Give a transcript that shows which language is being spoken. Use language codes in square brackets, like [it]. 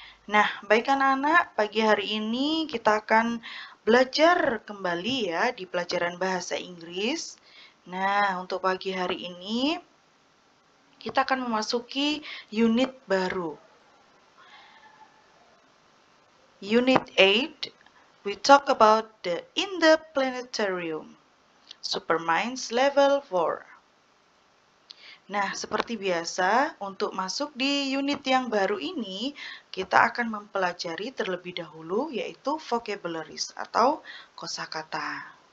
[id] Nah, baik anak-anak, pagi hari ini kita akan belajar kembali ya di pelajaran bahasa Inggris. Nah, untuk pagi hari ini kita akan memasuki unit baru. [en] Unit 8, we talk about the in the planetarium, Superminds level 4. [id] Nah, seperti biasa, untuk masuk di unit yang baru ini, kita akan mempelajari terlebih dahulu, yaitu vocabularies atau kosakata.